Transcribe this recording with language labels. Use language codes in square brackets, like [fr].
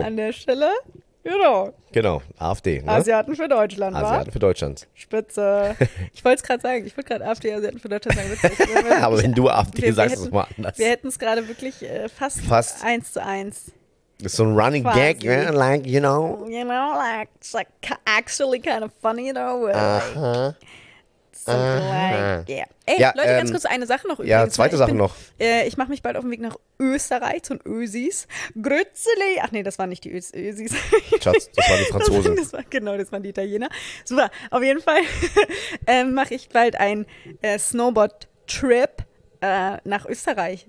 [de] An der Stelle. Genau. Genau, AfD. Ne? Asiaten für Deutschland, Asiaten war? Für Deutschland. Spitze. Ich wollte es gerade sagen. Ich wollte gerade AfD, Asiaten für Deutschland sagen. Aber wenn du AfD sagst, ist es mal anders. Wir hätten es gerade wirklich fast 1:1. Das ist so ein Running quasi. [en] Gag, yeah? Like, you know. You know, like, it's like actually kind of funny, you know. Like, aha. Like, yeah. [de] Ey, ja, Leute, ganz kurz eine Sache noch übrigens. Ja, zweite Sache noch. Ich mache mich bald auf den Weg nach Österreich zu den Ösis. Grützeli. Ach nee, das waren nicht die Ösis. Schatz, das waren die Franzosen. Das waren die Italiener. Super. Auf jeden Fall mache ich bald ein Snowboard-Trip nach Österreich.